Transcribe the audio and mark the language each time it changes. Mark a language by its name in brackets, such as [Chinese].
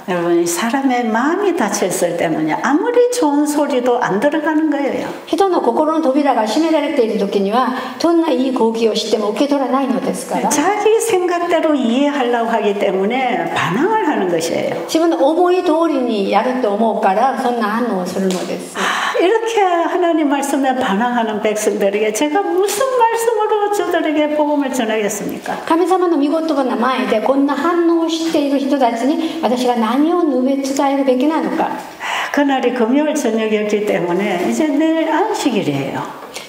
[Korean] 여러분 사람의 마음이 닫혀 있을 때문에 아무리 좋은 소리도 안 들어가는 거예요. [Japanese] 人の心の扉が閉められているときにはどんな 이 고기를 싣ても 受け取らないのですから [Korean] 자기 생각대로 이해하려고 하기 때문에 반항을 하는 것이에요. [Japanese] 自分の思い通りにやると思うからそんな反応をするのです. [Korean] 이렇게 하나님 말씀에 반항하는 백성들에게 제가 무슨 말씀으로 저들에게 복음을 전하겠습니까? [Japanese] 神様の御言葉の前でこんな反応をしている人たちに私が何を述べ伝えるべきなのか. [Korean] 그날이 금요일 저녁이었기 때문에 이제 내일 안식일이에요.